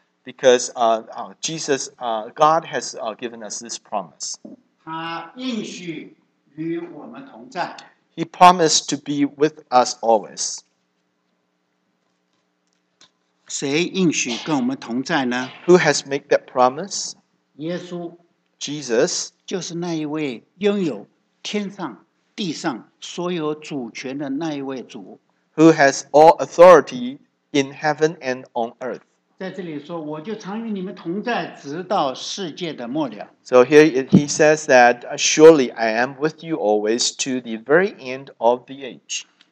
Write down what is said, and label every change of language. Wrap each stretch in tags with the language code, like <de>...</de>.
<en>Because Jesus, God has given us this promise.</en> <zh>他应许与我们同在。</zh> <en>He promised to be with us always.</en> <zh>谁应许跟我们同在呢?</zh> <en>Who has made that promise?</en> <zh>耶稣。</zh> <en>Jesus.</en> <zh>就是那一位拥有 天上地上所有主权的那一位主,</zh> <en>who has all authority in heaven and on earth.</en> <zh>在这里说, 我就常与你们同在, 直到世界的末了。</zh> <en>So here he says that surely I am with you always to the very end of the age.</en>